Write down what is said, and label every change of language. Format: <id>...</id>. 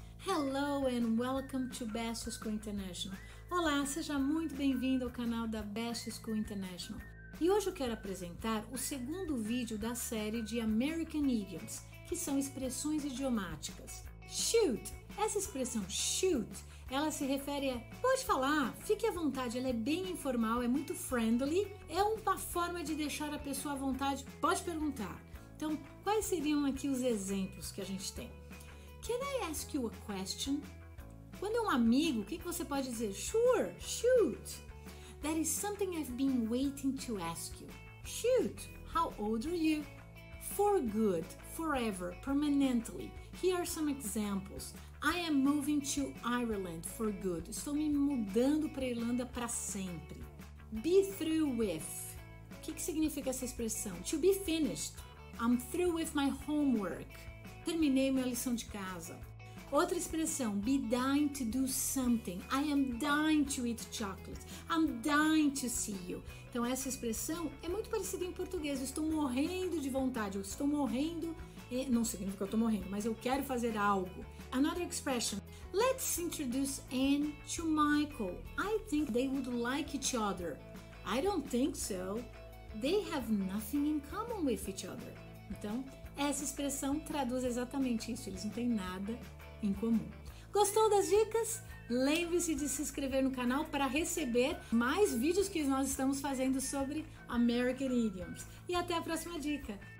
<en>Hello and welcome to Best School International.</en> <pt>Olá, seja muito bem-vindo ao canal da Best School International. E hoje eu quero apresentar o segundo vídeo da série de American Idioms, que são expressões idiomáticas. Shoot! Essa expressão shoot, ela se refere a pode falar, fique à vontade, ela é bem informal, é muito friendly, é uma forma de deixar a pessoa à vontade, pode perguntar. Então, quais seriam aqui os exemplos que a gente tem?</pt> <en>Can I ask you a question?</en> <pt>Quando é um amigo, o que você pode dizer?</pt> <en>Sure, shoot. That is something I've been waiting to ask you. Shoot, how old are you? For good, forever, permanently. Here are some examples. I am moving to Ireland for good.</en> <pt>Estou me mudando para a Irlanda para sempre.</pt> <en>Be through with.</en> <pt>O que significa essa expressão?</pt> <en>To be finished. I'm through with my homework.</en> <pt>Terminei minha lição de casa. Outra expressão,</pt> <en>be dying to do something. I am dying to eat chocolate. I'm dying to see you.</en> <pt>Então, essa expressão é muito parecida em português. Estou morrendo de vontade. Eu estou morrendo. Não significa que eu estou morrendo, mas eu quero fazer algo.</pt> <en>Another expression, let's introduce Anne to Michael. I think they would like each other. I don't think so. They have nothing in common with each other.</en> <pt>Então, essa expressão traduz exatamente isso. Eles não têm nada em comum. Gostou das dicas? Lembre-se de se inscrever no canal para receber mais vídeos que nós estamos fazendo sobre American Idioms. E até a próxima dica!</pt>